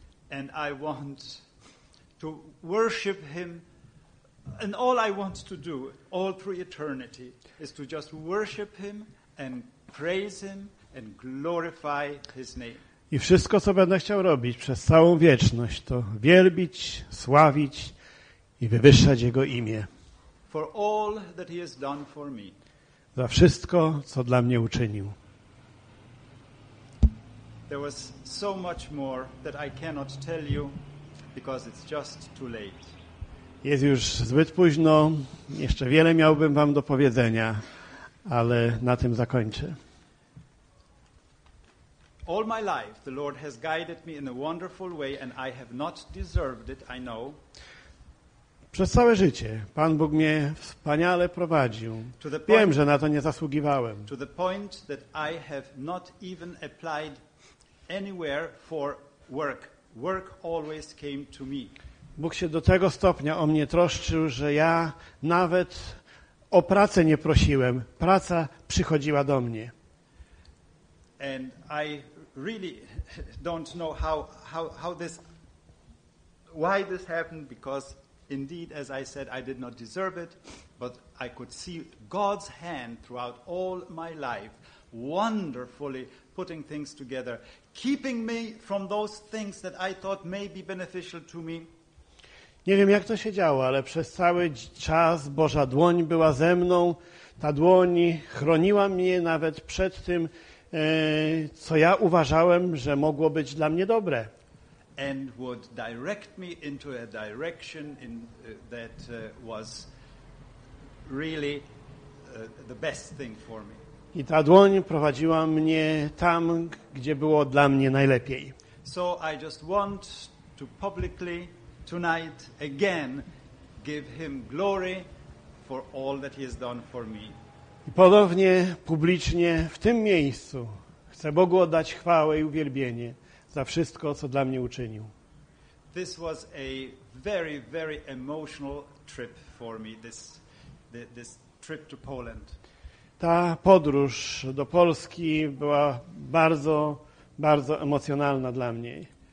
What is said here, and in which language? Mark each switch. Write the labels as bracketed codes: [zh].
[en] And I want to worship him. And all I want to do all through eternity is to just worship him and praise him and glorify his name. [pl] I wszystko, co będę chciał robić przez całą wieczność, to wielbić, sławić i wywyższać Jego imię. [en] For all that he has done for me. [pl] Za wszystko, co dla mnie uczynił. [en] There was so much more that I cannot tell you, because it's just too late. [pl] Jest już zbyt późno, jeszcze wiele miałbym wam do powiedzenia, ale na tym zakończę. [en] All my life the Lord has guided me in a wonderful way and I have not deserved it, I know. [pl] Przez całe życie Pan Bóg mnie wspaniale prowadził. Wiem, że na to nie zasługiwałem. [en] To the point that I have not even applied anywhere for work. Work always came to me. [pl] Bóg się do tego stopnia o mnie troszczył, że ja nawet o pracę nie prosiłem. Praca przychodziła do mnie. [en] And I really don't know how this, why this happened, because indeed, as I said, I did not deserve it, but I could see God's hand throughout all my life, wonderfully putting things together, keeping me from those things that I thought may be beneficial to me. [pl] Nie wiem, jak to się działo, ale przez cały czas Boża dłoń była ze mną, ta dłoń chroniła mnie nawet przed tym, co ja uważałem, że mogło być dla mnie dobre. [en] And would direct me into a direction in that was really the best thing for me. [pl] I ta dłoń prowadziła mnie tam, gdzie było dla mnie najlepiej. [en] So I just want to publicly tonight again give him glory for all that he has done for me. [pl] I podobnie publicznie w tym miejscu chcę Bogu oddać chwałę i uwielbienie za wszystko, co dla mnie uczynił. [en] This was a very, very emotional trip for me, this trip to Poland. [pl] Ta podróż do Polski była bardzo, bardzo emocjonalna dla mnie.